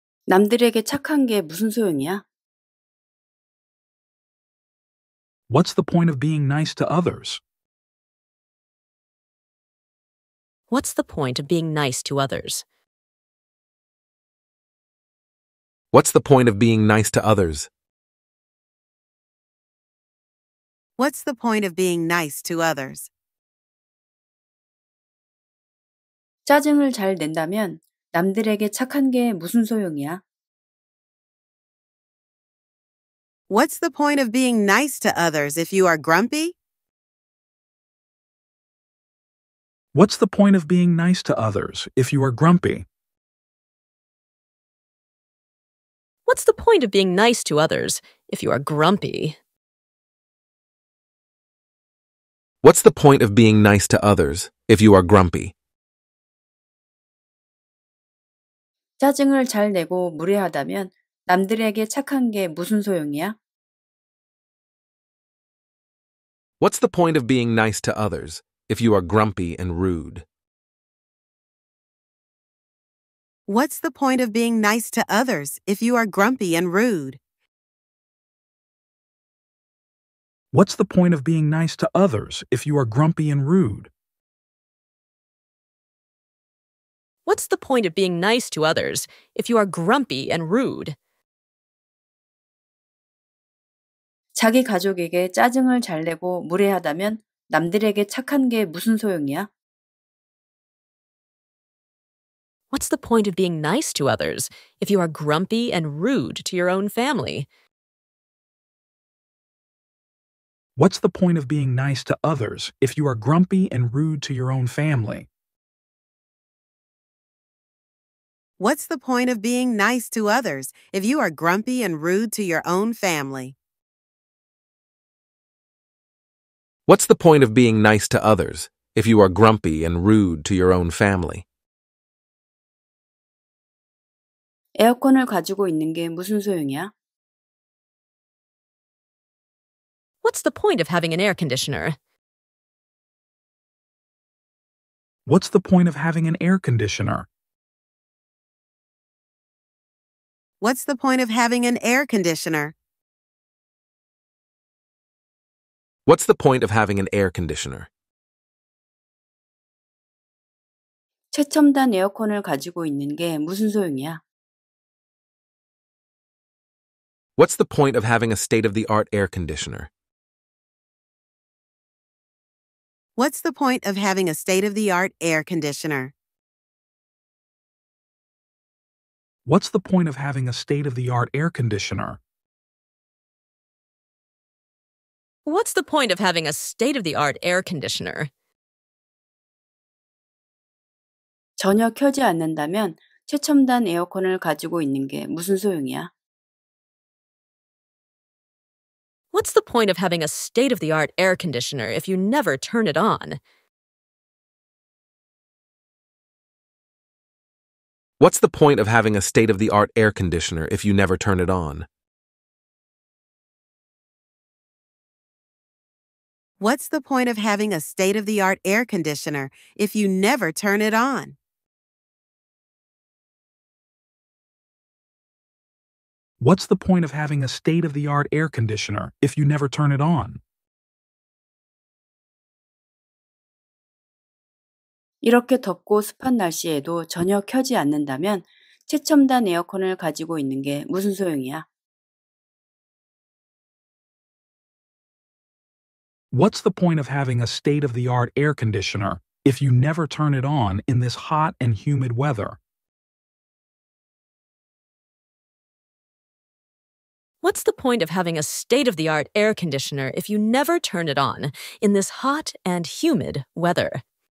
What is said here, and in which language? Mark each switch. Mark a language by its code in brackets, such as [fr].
[ko] 남들에게 착한 게 무슨 소용이야? [en] What's the point of being nice to others? What's the point of being nice to others? What's the point of being nice to others? What's the point of being nice to others? [ko] 짜증을 잘 낸다면 남들에게 착한 게 무슨 소용이야? [en] What's the point of being nice to others if you are grumpy? What's the point of being nice to others if you are grumpy? What's the point of being nice to others if you are grumpy? What's the point of being nice to others if you are grumpy? [ko] 짜증을 잘 내고 무례하다면 남들에게 착한 게 무슨 소용이야? [en] What's the point of being nice to others if you are grumpy and rude? What's the point of being nice to others if you are grumpy and rude? What's the point of being nice to others if you are grumpy and rude? What's the point of being nice to others if you are grumpy and rude? [ko] 자기 가족에게 짜증을 잘 내고 무례하다면 남들에게 착한 게 무슨 소용이야? [en] What's the point of being nice to others if you are grumpy and rude to your own family? What's the point of being nice to others if you are grumpy and rude to your own family? What's the point of being nice to others if you are grumpy and rude to your own family? What's the point of being nice to others if you are grumpy and rude to your own family? [ko] 에어컨을 가지고 있는 게 무슨 소용이야? [en] What's the point of having an air conditioner? What's the point of having an air conditioner? What's the point of having an air conditioner? What's the point of having an air conditioner? [ko] 최첨단 에어컨을 가지고 있는 게 무슨 소용이야? [en] What's the point of having a state-of-the-art air conditioner? What's the point of having a state-of-the-art air conditioner? What's the point of having a state-of-the-art air conditioner? What's the point of having a state-of-the-art air conditioner? [ko] 전혀 켜지 않는다면 최첨단 에어컨을 가지고 있는 게 무슨 소용이야? [en] What's the point of having a state-of-the-art air conditioner if you never turn it on? What's the point of having a state-of-the-art air conditioner if you never turn it on? What's the point of having a state-of-the-art air conditioner if you never turn it on? What's the point of having a state-of-the-art air conditioner if you never turn it on? [ko] 이렇게 덥고 습한 날씨에도 전혀 켜지 않는다면 최첨단 에어컨을 가지고 있는 게 무슨 소용이야? [en] What's the point of having a state-of-the-art air conditioner if you never turn it on in this hot and humid weather? What's the point of having a state-of-the-art air conditioner if you never turn it on in this hot and humid weather?